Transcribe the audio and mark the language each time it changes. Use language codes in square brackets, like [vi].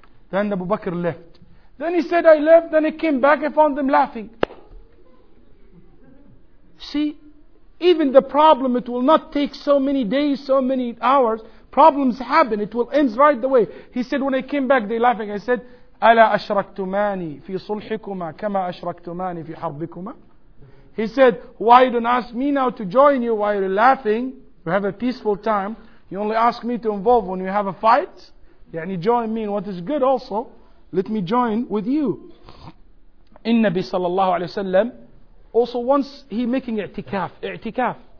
[en] Then Abu Bakr left. Then he said, I left. Then he came back and found them laughing. See, even the problem, it will not take so many days, so many hours. Problems happen. It will end right away. He said, when I came back, they laughing. I said, [ar] أَلَا أَشْرَكْتُمَانِي فِي صُلْحِكُمَا كَمَا أَشْرَكْتُمَانِي فِي حَرْبِكُمَا. [en] He said, why you don't ask me now to join you while you're laughing? You have a peaceful time. You only ask me to involve when you have a fight. Yeah, and you join me in what is good also. Let me join with you. In Nabi sallallahu alayhi wa sallam, also once he making i'tikaf. I'tikaf.